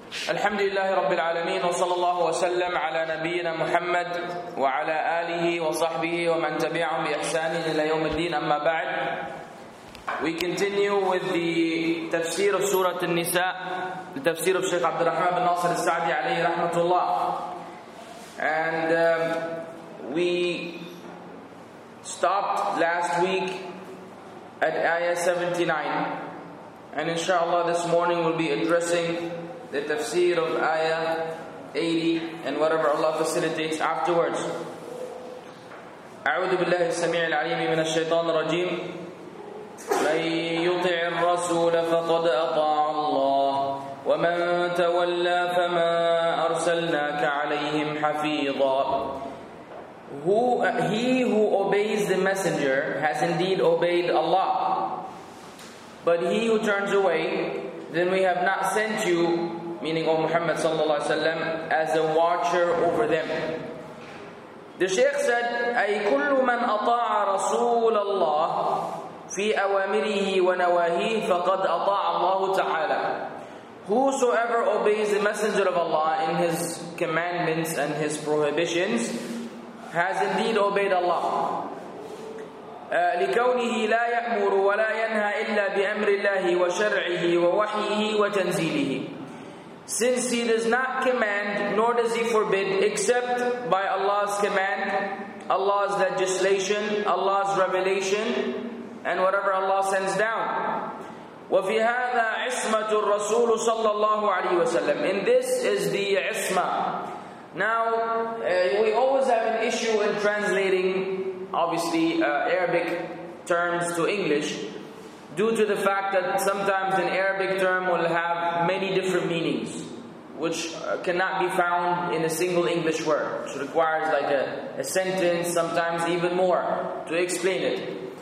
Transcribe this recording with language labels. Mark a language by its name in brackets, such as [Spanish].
[Arabic] الحمد لله رب العالمين وصلى الله وسلم على نبينا محمد وعلى آله وصحبه ومن تبعهم بإحسان إلى يوم الدين. أما بعد, [English] we continue with the [Arabic] تفسير سورة النساء, التفسير الشيخ عبد الرحمن بن ناصر السعدي عليه رحمة الله. [English] And we stopped last week at Ayah 79, and inshallah this morning we'll be addressing the tafsir of Ayah 80 and whatever Allah facilitates afterwards. [Arabic] أعوذ بالله السميع العليم من الشيطان الرجيم. من يطع الرسول فقد أطاع الله ومن تولى فما أرسلناك عليهم حفيظا. [English] He who obeys the messenger has indeed obeyed Allah. But he who turns away, then we have not sent you, meaning O Muhammad sallallahu alaihi wasallam, as a watcher over them. The Shaykh said, [Arabic] أي كل من أطاع رسول الله في أوامره ونواهيه فقد أطاع الله تعالى. [English] Whosoever obeys the messenger of Allah in his commandments and his prohibitions has indeed obeyed Allah. [Arabic] لكونه لا يأمر ولا ينهى إلا بأمر الله وشرعه ووحيه وتنزيله. [English] Since he does not command nor does he forbid except by Allah's command, Allah's legislation, Allah's revelation, and whatever Allah sends down. [Arabic] وفي هذا عصمة الرسول صلى الله عليه وسلم. [English] In this is the عصمة. Now, we always have an issue in translating, obviously, Arabic terms to English, due to the fact that sometimes an Arabic term will have many different meanings, which cannot be found in a single English word, which requires like a sentence, sometimes even more, to explain it.